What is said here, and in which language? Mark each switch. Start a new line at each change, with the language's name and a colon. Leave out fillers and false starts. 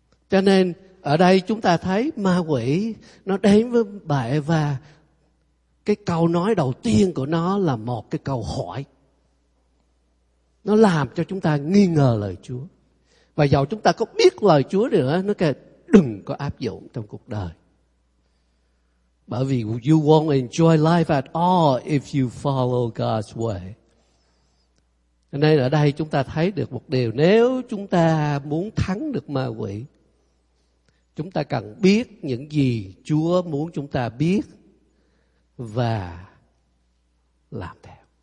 Vietnamese: Cho nên ở đây chúng ta thấy ma quỷ nó đến với bà Eva, cái câu nói đầu tiên của nó là một cái câu hỏi. Nó làm cho chúng ta nghi ngờ lời Chúa. Và dầu chúng ta có biết lời Chúa nữa, nó kêu đừng có áp dụng trong cuộc đời. Bởi vì
English: you won't enjoy life at all if you follow God's way.
Vietnamese: Cho nên ở đây chúng ta thấy được một điều, nếu chúng ta muốn thắng được ma quỷ, chúng ta cần biết những gì Chúa muốn chúng ta biết và làm theo.